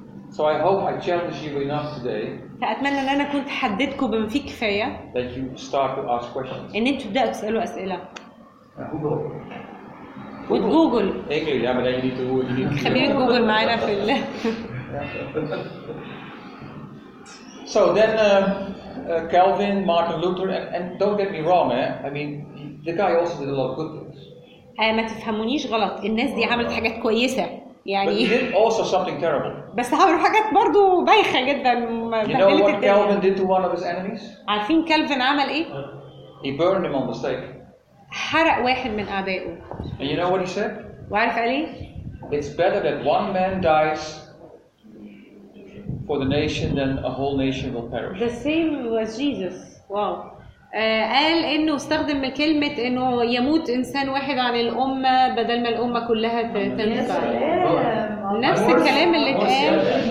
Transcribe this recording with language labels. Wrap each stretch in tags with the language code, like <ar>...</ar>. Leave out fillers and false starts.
<en>So I hope I challenged you enough today.</en> <ar>فاتمنى ان انا كنت حددتكم بما فيه كفايه</ar> <en>that you start to ask questions.</en> <ar>ان انتوا تبداوا تسالوا اسئله</ar> <en>with Google. Okay, yeah, but then you need to Google.</en> <ar>خبير جوجل معانا في ال.</ar> <en>So then, Calvin, Martin Luther, and don't get me wrong, eh? I mean, the guy also did a lot of good things.</en> <ar>ما تفهمونيش غلط. الناس دي عملت حاجات كويسة. يعني.</ar> <en>But he did also something terrible.</en> <ar>بس عملوا حاجات برضو بايخة جدا.</ar> <en>You know what Calvin did to one of his enemies?</en> <ar>عارفين كالفن عمل إيه؟</ar> <en>He burned him on the stake.</en> <ar>حرق واحد من أعدائه.</ar> <en>And you know what he said?</en> <ar>وعارف قال إيه؟</ar> <en>It's better that one man dies for the nation than a whole nation will perish. The same was Jesus. Wow.</en> <ar>قال إنه استخدم كلمة إنه يموت إنسان واحد عن الأمة بدل ما الأمة كلها تنفع. نفس الكلام اللي قال.</ar>